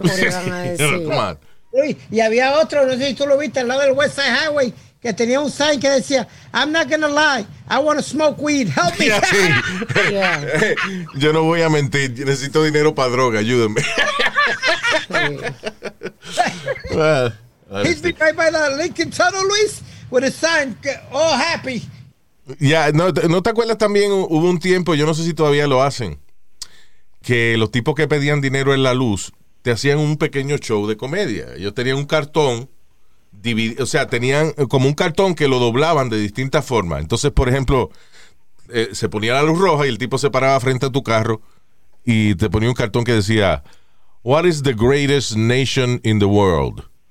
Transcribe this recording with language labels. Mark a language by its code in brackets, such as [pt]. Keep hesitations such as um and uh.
[es] porque a decir. no, Uy, y había otro, no sé si tú lo viste, al lado del West Side Highway, que tenía un sign que decía, [en] I'm not gonna lie, I want smoke weed, help me. [es] Sí, sí. yeah. Yo no voy a mentir, necesito dinero para droga, ayúdenme. [en] Well, He's been right by the Lincoln Tunnel, Luis, with a sign, all happy. [es] Ya, yeah, no, no, te acuerdas también? Hubo un tiempo, yo no sé si todavía lo hacen, que los tipos que pedían dinero en la luz te hacían un pequeño show de comedia. Ellos tenían un cartón, o sea, tenían como un cartón que lo doblaban de distintas formas. Entonces, por ejemplo, eh, se ponía la luz roja y el tipo se paraba frente a tu carro y te ponía un cartón que decía: [en] What is the greatest nation in the world?